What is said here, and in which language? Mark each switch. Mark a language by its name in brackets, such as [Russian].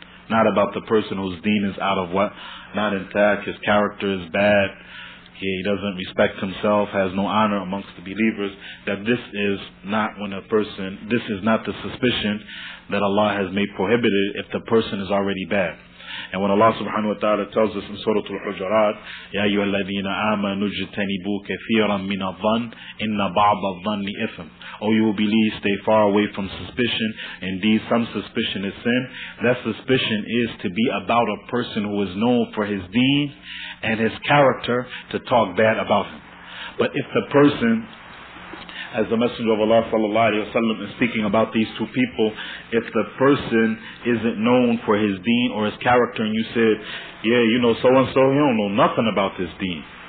[English] Not about the person whose deen is out of what? Not intact, his character is bad, he doesn't respect himself, has no honor amongst the believers. That this is not when a person, this is not the suspicion that Allah has made prohibited if the person is already bad. And when Allah subhanahu wa ta'ala tells us in Surah Al-Hujurat, [Arabic] يَا أَيُّهَا الَّذِينَ آمَنُوا اجْتَنِبُوا كَثِيرًا مِّنَ الظَّنِّ إِنَّ بَعْضَ الظَّنِّ إِثْمٌ. [English] O you who believe, stay far away from suspicion. Indeed, some suspicion is sin. That suspicion is to be about a person who is known for his deen and his character to talk bad about him. But if the person, as the Messenger of Allah sallallahu alaihi wasallam is speaking about these two people, if the person isn't known for his deen or his character, and you said, yeah, you know so and so, he don't know nothing about this deen.